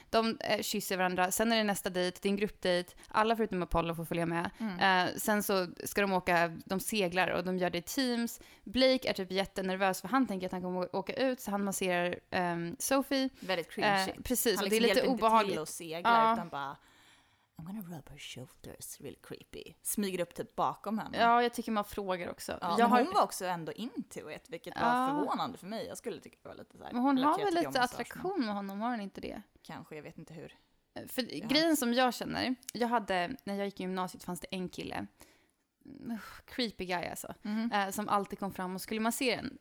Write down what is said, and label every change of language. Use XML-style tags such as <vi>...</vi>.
<sv>De kysser varandra. Sen är det nästa dejt. Det är en gruppdejt. Alla förutom Apollo får följa med. Sen så ska de åka. De seglar och de gör det i teams. Blake är typ jättenervös för han tänker att han kommer åka ut. Så han masserar Sophie. Väldigt cringy. Precis. Liksom, och det är lite obehagligt. Han hjälper inte till att segla utan bara...</sv> <en>I'm gonna rub her shoulders, real creepy.</en> <sv>Smyger upp typ bakom henne. Ja, jag tycker man frågar också. Ja, hon var också ändå</sv> <en>into it,</en> <sv>vilket var förvånande för mig. Jag skulle tycka det var lite så här. Men hon har väl lite attraktion med honom, har hon inte det? Kanske, jag vet inte hur. För grejen som jag känner, jag hade, när jag gick i gymnasiet fanns det en kille,</sv> <en>creepy guy</en> <sv>alltså, som alltid kom fram och skulle massera en.</sv>